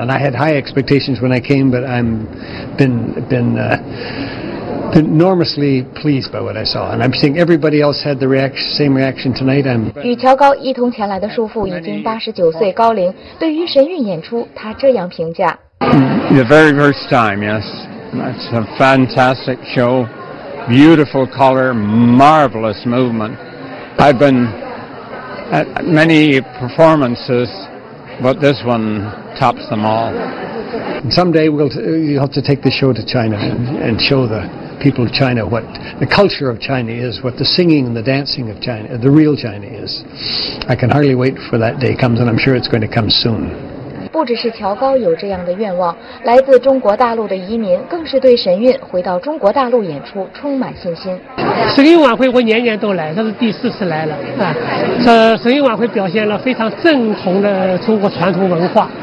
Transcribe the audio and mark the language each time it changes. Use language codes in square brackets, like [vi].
[en] And I had high expectations when I came, but I've been enormously pleased by what I saw. And I'm seeing everybody else had the same reaction tonight. [zh] 与乔高一同前来的叔父已经89岁高龄，对于神韵演出他这样评价。 [en] The very first time, yes. That's a fantastic show. Beautiful color, marvelous movement. I've been at many performances, but this one tops them all. And someday you'll have to take the show to China and show the people of China what the culture of China is, what the singing and the dancing of China, the real China is. I can hardly wait for that day comes, and I'm sure it's going to come soon. [zh] 不只是乔高有这样的愿望，来自中国大陆的移民更是对神韵回到中国大陆演出充满信心。神韵晚会我年年都来，这是第四次来了啊！这神韵晚会表现了非常正统的中国传统文化。